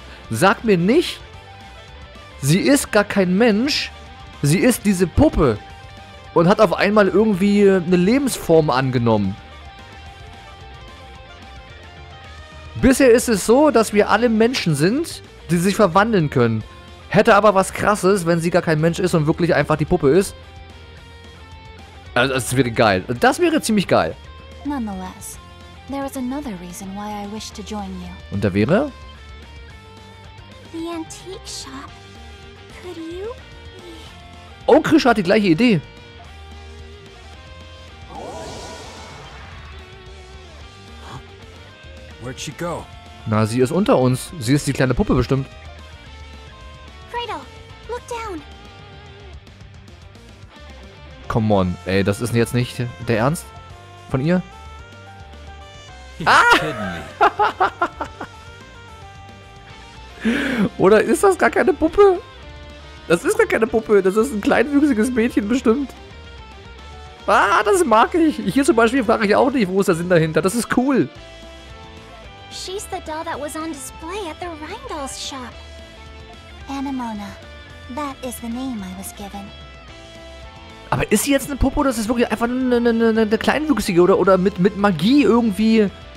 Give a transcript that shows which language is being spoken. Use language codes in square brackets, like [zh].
[de] Sag mir nicht, sie ist gar kein Mensch, sie ist diese Puppe und hat auf einmal irgendwie eine Lebensform angenommen. Bisher ist es so, dass wir alle Menschen sind, die sich verwandeln können. Hätte aber was Krasses, wenn sie gar kein Mensch ist und wirklich einfach die Puppe ist. Also das wäre geil. Das wäre ziemlich geil. [en] Nonetheless, there is another reason why I wish to join you. [de] Und da wäre? [en] The antique shop. Could you be... [de] Oh, Krischer hat die gleiche Idee. [en] Where'd she go? [de] Na, sie ist unter uns. Sie ist die kleine Puppe bestimmt. [en] Cradle, look down. come on. [de] Ey, das ist jetzt nicht der Ernst von ihr? Oder ist das gar keine Puppe? Das ist gar keine Puppe. Das ist ein kleinwüchsiges Mädchen bestimmt. Ah, das mag ich. Hier zum Beispiel frage ich auch nicht, wo ist der Sinn dahinter. Das ist cool. [en] She's the doll that was on display at the Rheindolls shop. Anemona. That is the name I was given. [de] Aber ist sie jetzt eine Puppe oder ist es wirklich einfach eine kleinwüchsige oder mit Magie irgendwie?